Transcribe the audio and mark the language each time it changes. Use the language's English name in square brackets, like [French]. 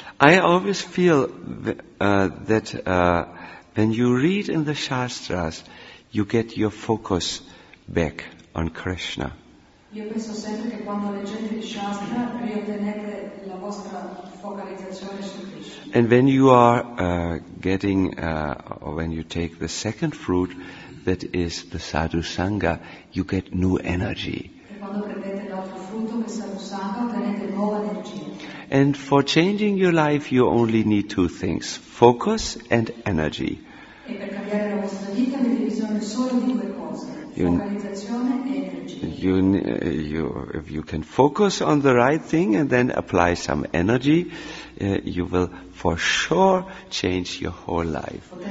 [English] I always feel that when you read in the Shastras, you get your focus back on Krishna. [Italian] Io penso sempre che quando leggete il Shastra riottenete la vostra focalizzazione su Krishna. [English] And when you are getting or when you take the second fruit, that is the Sadhu Sangha, you get new energy. [Italian] Quando prendete l'altro frutto che è Sadhu Sangha ottenete nuova energia. [English] And for changing your life, you only need two things: focus and energy. [Italian] E per cambiare la vostra vita avete bisogno solo di due cose. [English] If you can focus on the right thing and then apply some energy, you will for sure change your whole life.